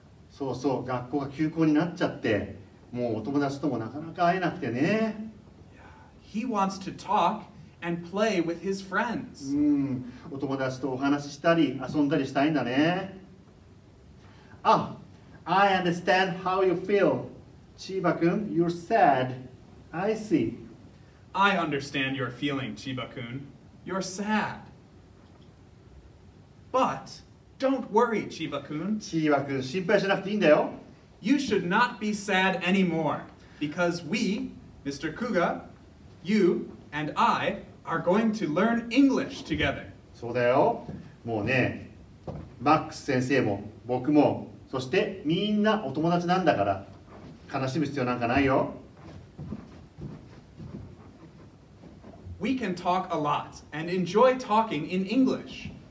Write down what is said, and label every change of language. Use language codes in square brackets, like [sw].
[ja] そうそう、学校が休校になっちゃって、もうお友達ともなかなか会えなくてね。 [en] He wants to talk and play with his friends. [ja] お友達とお話ししたり、遊んだりしたいんだね。 [en] Ah, I understand how you feel. Chiba-kun, you're sad. I see. I understand your feeling, Chiba-kun. You're sad. But... Don't worry, Chiba-kun. [ja] Chiba-kun, 心配しなくていいんだよ。 [en] You should not be sad anymore, because we, Mr. Kuga, you, and I are going to learn English together. [ja] そうだよ。もうね、マックス先生も僕も、そしてみんなお友達なんだから、悲しむ必要なんかないよ。 [en] We can talk a lot and enjoy talking in English.